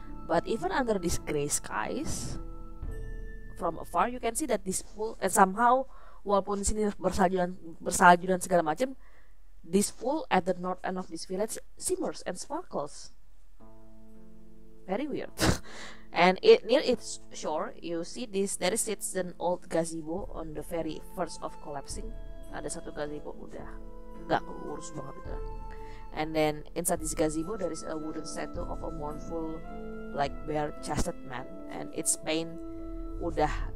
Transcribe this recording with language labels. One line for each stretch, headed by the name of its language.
English: But even under these gray skies, from afar you can see that this pool and somehow
Indonesian: walaupun di sini bersalju dan segala macam,
English: this pool at the north end of this village shimmers and sparkles. Very weird. And near its shore, you see this. There sits an old gazebo on the very verge of collapsing.
Indonesian: Ada satu gazebo udah nggak urus banget itu.
English: And then inside this gazebo, there is a wooden statue of a mournful, like bare-chested man. And its paint udah